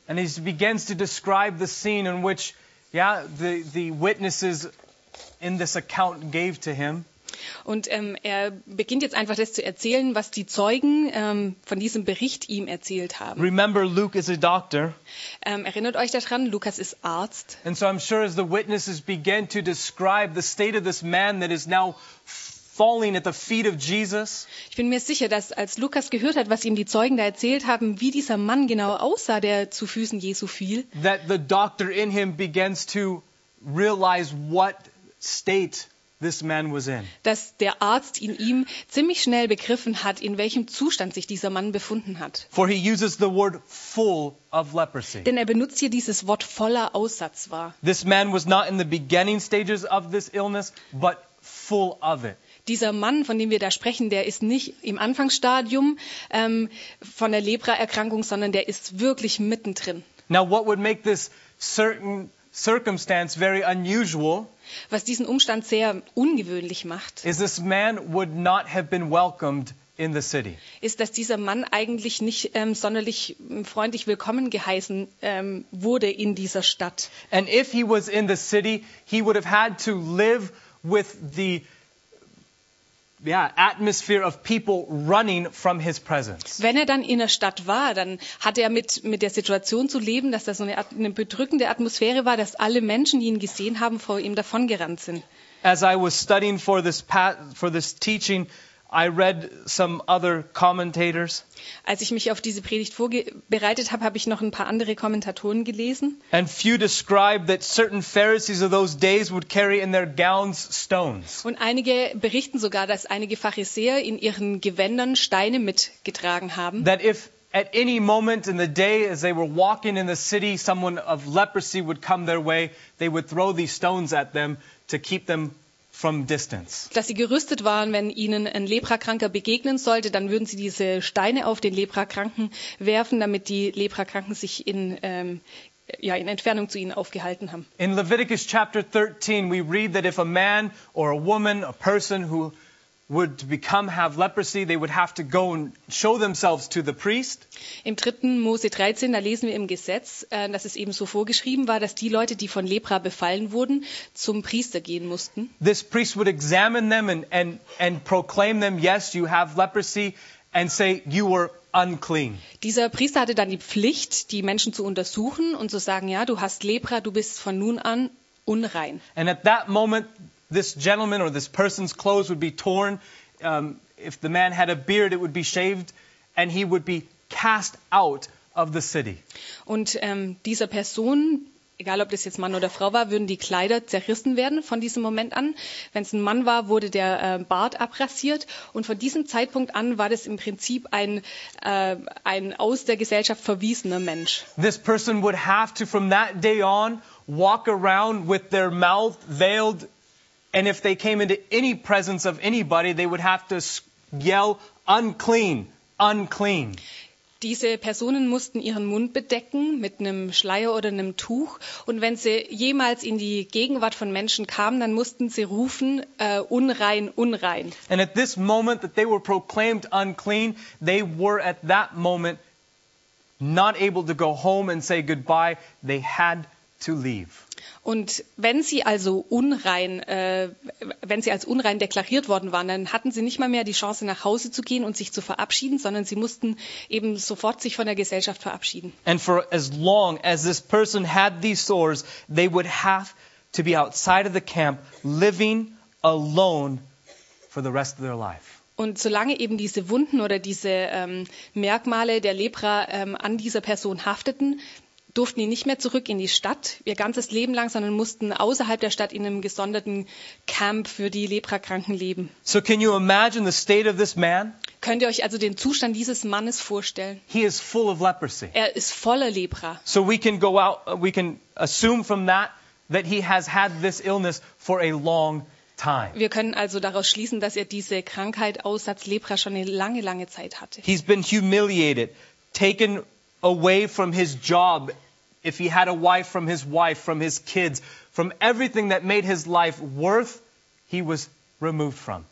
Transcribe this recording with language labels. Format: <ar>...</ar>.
<en>And he begins to describe the scene in which, the witnesses in this account gave to him.</en> <de>Und er beginnt jetzt einfach das zu erzählen, was die Zeugen von diesem Bericht ihm erzählt haben.</de> <en>Remember, Luke is a doctor.</en> <de>Erinnert euch daran, Lukas ist Arzt.</de> <en>And so I'm sure as the witnesses began to describe the state of this man that is now falling at the feet of Jesus.</en> <de>Ich bin mir sicher, dass als Lukas gehört hat, was ihm die Zeugen da erzählt haben, wie dieser Mann genau aussah, der zu Füßen Jesu fiel.</de> <en>That the doctor in him begins to realize what state this man was in.</en> <de>Dass der Arzt in ihm ziemlich schnell begriffen hat, in welchem Zustand sich dieser Mann befunden hat.</de> <en>For he uses the word full of leprosy.</en> <de>Denn er benutzt hier dieses Wort voller Aussatz war.</de> <en>This man was not in the beginning stages of this illness, but full of it.</en> <de>Dieser Mann, von dem wir da sprechen, der ist nicht im Anfangsstadium von der Lepraerkrankung, sondern der ist wirklich mittendrin.</de> <en>Now what would make this certain circumstance very unusual?</en> <de>Was diesen Umstand sehr ungewöhnlich macht,</de> <en>is this man would not have been welcomed in the city.</en> <de>Ist, dass dieser Mann eigentlich nicht sonderlich freundlich willkommen geheißen wurde in dieser Stadt.</de> <en>And if he was in the city, he would have had to live with the atmosphere of people running from his presence.</en> <de>Wenn er dann in der Stadt war, dann hatte er mit der Situation zu leben, dass das so eine bedrückende Atmosphäre war, dass alle Menschen, die ihn gesehen haben, vor ihm davongerannt sind.</de> <en>As I was studying for this teaching, I read some other commentators.</en> <de>Als ich mich auf diese Predigt vorbereitet habe, habe ich noch ein paar andere Kommentatoren gelesen.</de> <en>And few describe that certain Pharisees of those days would carry in their gowns stones.</en> <de>Und einige berichten sogar, dass einige Pharisäer in ihren Gewändern Steine mitgetragen haben.</de> <en>That if at any moment in the day as they were walking in the city someone of leprosy would come their way, they would throw these stones at them to keep them from distance.</en> <de>Dass sie gerüstet waren, wenn ihnen ein Leprakranker begegnen sollte, dann würden sie diese Steine auf den Leprakranken werfen, damit die Leprakranken sich in Entfernung zu ihnen aufgehalten haben.</de> <en>In Leviticus chapter 13 we read that if a man or a woman, a person who would become have leprosy, they would have to go and show themselves to the priest.</en> <de>Im 3. Mose 13, da lesen wir im Gesetz, dass es eben so vorgeschrieben war, dass die Leute, die von Lepra befallen wurden, zum Priester gehen mussten.</de> <en>This priest would examine them and proclaim them, yes, you have leprosy, and say, you were unclean.</en> <de>Dieser Priester hatte dann die Pflicht, die Menschen zu untersuchen und zu sagen, ja, du hast Lepra, du bist von nun an unrein.</de> <en>And at that moment, this gentleman or this person's clothes would be torn. If the man had a beard, it would be shaved, and he would be cast out of the city.</en> <de>Und dieser Person, egal ob das jetzt Mann oder Frau war, würden die Kleider zerrissen werden von diesem Moment an. Wenn es ein Mann war, wurde der Bart abrasiert. Und von diesem Zeitpunkt an war das im Prinzip ein aus der Gesellschaft verwiesener Mensch.</de> <en>This person would have to, from that day on, walk around with their mouth veiled. And if they came into any presence of anybody, they would have to yell, unclean, unclean.</en> <de>Diese Personen mussten ihren Mund bedecken mit einem Schleier oder einem Tuch. Und wenn sie jemals in die Gegenwart von Menschen kamen, dann mussten sie rufen, unrein, unrein.</de> <en>And at this moment that they were proclaimed unclean, they were at that moment not able to go home and say goodbye. They had to leave.</en> <de>Und wenn sie also unrein, wenn sie als unrein deklariert worden waren, dann hatten sie nicht mal mehr die Chance, nach Hause zu gehen und sich zu verabschieden, sondern sie mussten eben sofort sich von der Gesellschaft verabschieden.</de> <en>And for as long as this person had these sores, they would have to be outside of the camp, living alone for the rest of their life.</en> <de>Und solange eben diese Wunden oder diese Merkmale der Lepra an dieser Person hafteten, durften die nicht mehr zurück in die Stadt ihr ganzes Leben lang, sondern mussten außerhalb der Stadt in einem gesonderten Camp für die Leprakranken leben.</de> <en>So can you imagine the state of this man?</en> <de>Könnt ihr euch also den Zustand dieses Mannes vorstellen?</de> <en>He is full of leprosy.</en> <de>Er ist voller Lepra.</de> <en>So we can go out, we can assume from that that he has had this illness for a long time.</en> <de>Wir können also daraus schließen, dass er diese Krankheit Aussatz Lepra schon eine lange, lange Zeit hatte.</de> <en>He's been humiliated, taken away from his job, if he had a wife, from his wife, from his kids, from everything that made his life worth, he was removed from.</en>